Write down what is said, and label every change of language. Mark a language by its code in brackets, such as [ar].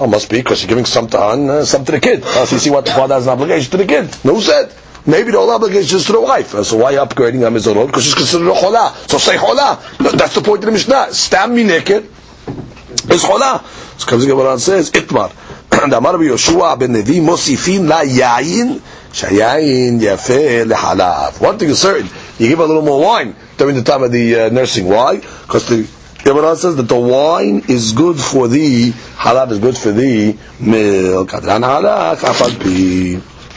[en] Oh, must be because you're giving some to the kid. So you see what the father has an obligation to the kid. No said. Maybe the whole obligation is to the wife. So why are you upgrading her mizonot? Because she's considered a chola. So say chola. No, that's the point of the Mishnah. Stam me naked. It's chola. So comes the Gemara and says, Itmar. [he] אמר רבי יהושע בן נבי מוסיפים ליין שהיין יפה לחלב. [en] One thing is certain, you give a little more wine during the time of the nursing. Why? Because the Gemara says that the wine is good for the halav, is good for the milk.